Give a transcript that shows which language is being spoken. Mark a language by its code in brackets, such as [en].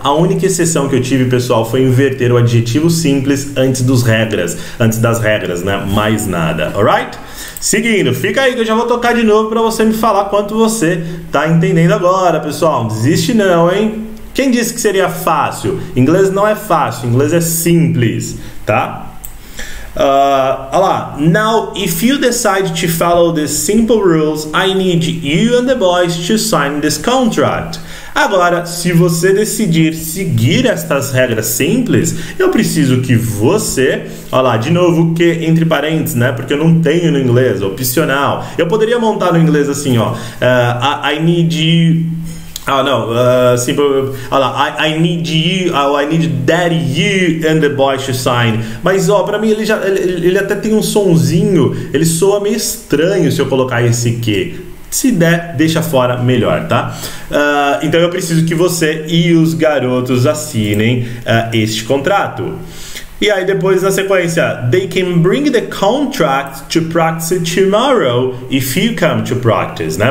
[pt] A única exceção que eu tive, pessoal, foi inverter o adjetivo simples antes das regras, né? Mais nada. Alright? Seguindo, fica aí que eu já vou tocar de novo para você me falar quanto você tá entendendo agora, pessoal. Não desiste não, hein? Quem disse que seria fácil? Inglês não é fácil, inglês é simples, tá? Olha lá, [en] now if you decide to follow the simple rules, I need you and the boys to sign this contract. [pt] Agora, se você decidir seguir estas regras simples, eu preciso que você, olha lá, de novo, que entre parênteses, né, porque eu não tenho no inglês, opcional. Eu poderia montar no inglês assim, ó, [en] I need you. [pt] Oh, não, simple. Olha lá, [en] I need you, I need that you and the boys to sign. [pt] Mas, ó, pra mim ele até tem um sonzinho, ele soa meio estranho se eu colocar esse que. Se der, deixa fora, melhor, tá? Então eu preciso que você e os garotos assinem este contrato. E aí depois na sequência, [en] they can bring the contract to practice tomorrow if you come to practice, né?